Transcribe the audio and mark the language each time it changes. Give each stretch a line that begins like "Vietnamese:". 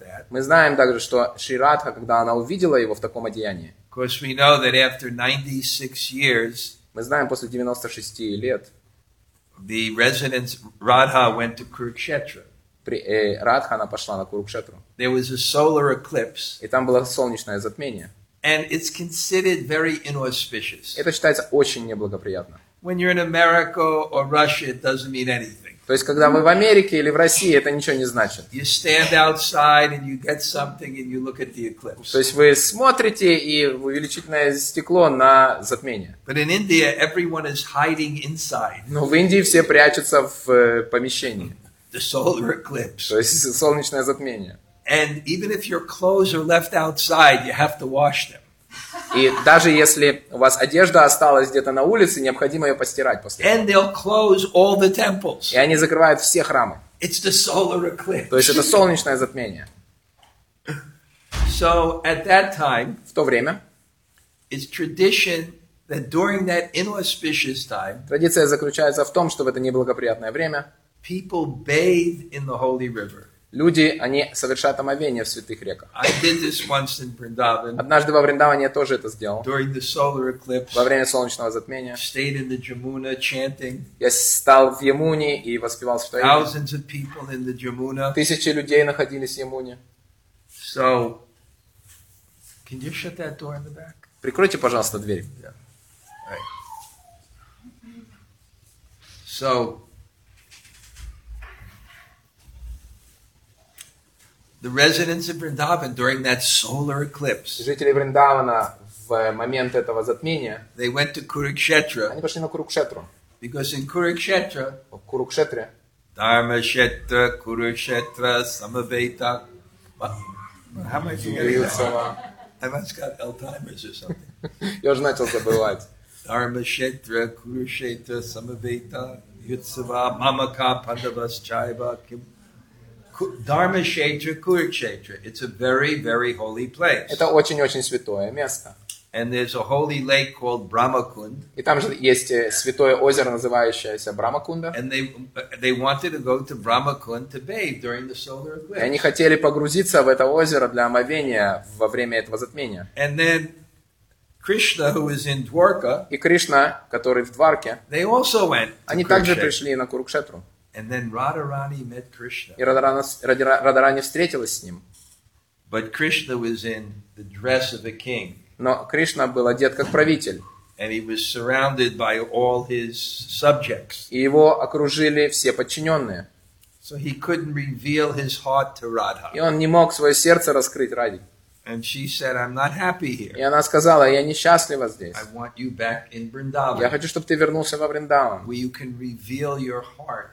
Russian: Мы знаем также, что Шри Радха, когда она увидела его в таком одеянии, мы знаем, после 96 лет, Радха она пошла на Курукшетру. И там было солнечное затмение. Это считается очень неблагоприятно.
English: When you're in America or Russia, it doesn't mean anything.
Russian: То есть когда вы в Америке или в России, это ничего не значит.
English: You stand outside and you get something and you look at the eclipse.
Russian: То есть вы смотрите и в увеличительное стекло на затмение.
English: But in India, everyone is hiding inside.
Russian: Но в Индии все прячутся в помещении.
English: The solar eclipse.
Russian: То есть солнечное затмение.
English: And even if your clothes are left outside, you have to wash them.
Russian: И даже если у вас одежда осталась где-то на улице, необходимо ее постирать после этого.
English: And they'll close all the temples.
Russian: И они закрывают все храмы.
English: It's the solar eclipse.
Russian: То есть это солнечное затмение.
English: So at that time,
Russian: в то время,
English: it's tradition that during that inauspicious time,
Russian: традиция заключается в том, что в это неблагоприятное время
English: people bathe in the holy river.
Russian: Люди, они совершают омовение в святых реках.
English: I did this once in Vrindavan.
Russian: Однажды во Вриндаване я тоже это сделал.
English: During the solar eclipse,
Russian: во время солнечного затмения.
English: Stayed in the Jamuna chanting.
Russian: Я стал в Ямуне и воспевал святое имя.
English: Thousands of people in the Jamuna.
Russian: Тысячи людей находились в Ямуне.
English: So, can you shut that door in the back?
Russian: Прикройте, пожалуйста, дверь.
English: Yeah. Right. So, the residents of Vrindavan during that solar eclipse.
Russian: Жители Вриндавана в момент этого затмения.
English: They went to Kurukshetra.
Russian: Они пошли на Курукшетру.
English: Because in Kurukshetra.
Russian: В Курукшетре.
Sanskrit: Dharmakshetra, Kurukshetra, Samaveta.
English: How am I forgetting that? I must got Alzheimer's or something.
Russian: Я уже начал забывать.
Sanskrit: Dharmakshetra, Kurukshetra, Samaveta, Yutsava, Mamaka, Pandavas, Chaiva, Kim.
English: Dharmakshetra, Kurukshetra. It's a very, very holy place.
Russian: Это очень-очень святое место.
English: And there's a holy lake called Brahmakund.
Russian: И там же есть святое озеро, называющееся Брахмакунда.
English: And they wanted to go to Brahmakund to bathe during the solar eclipse.
Russian: И они хотели погрузиться в это озеро для омовения во время этого затмения.
English: And then Krishna, who is in Dwarka.
Russian: И Кришна, который в Дварке.
English: They also went.
Russian: Они также пришли на Курукшетру.
English: And then Radharani met Krishna.
Russian: И Радхарани встретилась с ним.
English: But Krishna was in the dress of a king.
Russian: Но Кришна был одет как правитель.
English: And he was surrounded by all his subjects.
Russian: И его окружили все подчиненные.
English: So he couldn't reveal his heart to Radha.
Russian: И он не мог свое сердце раскрыть Раде.
English: And she said, "I'm not happy here."
Russian: И она сказала, я несчастлива здесь.
English: I want you back in Vrindavan.
Russian: Я хочу, чтобы ты вернулся во Вриндаван.
English: Where you can reveal your heart.